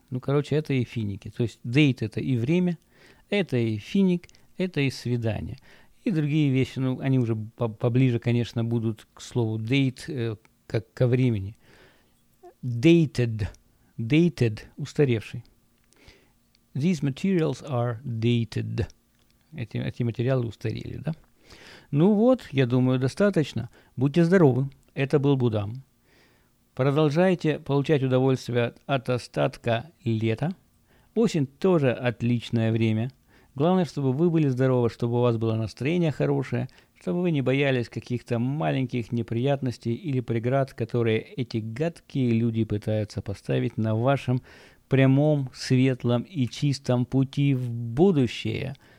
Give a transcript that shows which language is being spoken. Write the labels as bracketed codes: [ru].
[ru] Ну, короче, это и финики. То есть date – это и время, это и финик, это и свидание. И другие вещи, ну, они уже поближе, конечно, будут к слову date, как ко времени. [en] Dated. [ru] Dated – устаревший. [en] These materials are dated. [ru] Эти материалы устарели, да? Ну вот, я думаю, достаточно. Будьте здоровы. Это был Будам. Продолжайте получать удовольствие от остатка лета. Осень – тоже отличное время. Главное, чтобы вы были здоровы, чтобы у вас было настроение хорошее, чтобы вы не боялись каких-то маленьких неприятностей или преград, которые эти гадкие люди пытаются поставить на вашем прямом, светлом и чистом пути в будущее.